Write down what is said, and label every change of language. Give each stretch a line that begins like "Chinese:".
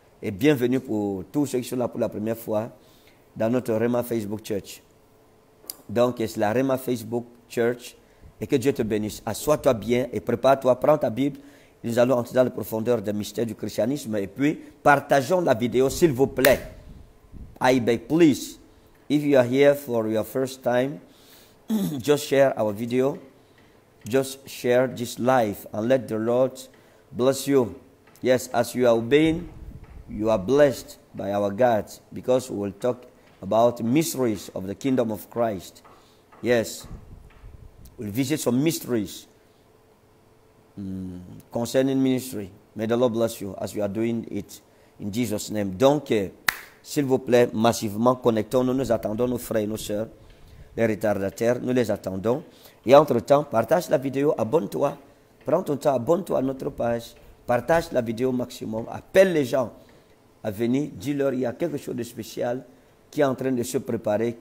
French: Et bienvenue pour tous ceux qui sont là pour la première fois dans notre Rema Facebook Church. Donc, c'est la Rema Facebook Church. Et que Dieu te bénisse. Assois-toi bien et prépare-toi. Prends ta Bible. Nous allons entrer dans la profondeur des mystères du christianisme. Et puis, partageons la vidéo, s'il vous plaît.
English: I beg, please. If you are here for your first time, just share our video. Just share this live and let the Lord bless you. Yes, as you are obeying, you are blessed by our God, because we will talk about mysteries of the kingdom of Christ. Yes, we'll visit some mysteries concerning ministry. May the Lord bless you as you are doing it in Jesus' name.
French: Donc, s'il vous plaît, massivement connectons-nous. Nous attendons nos frères et nos sœurs, les retardataires. Nous les attendons. Et entre-temps, partage la vidéo, abonne-toi. Prends ton temps, abonne-toi à notre page. Partage la vidéo au maximum. Appelle les gens à venir. Dis-leur, il y a quelque chose de spécial qui est en train de se préparer.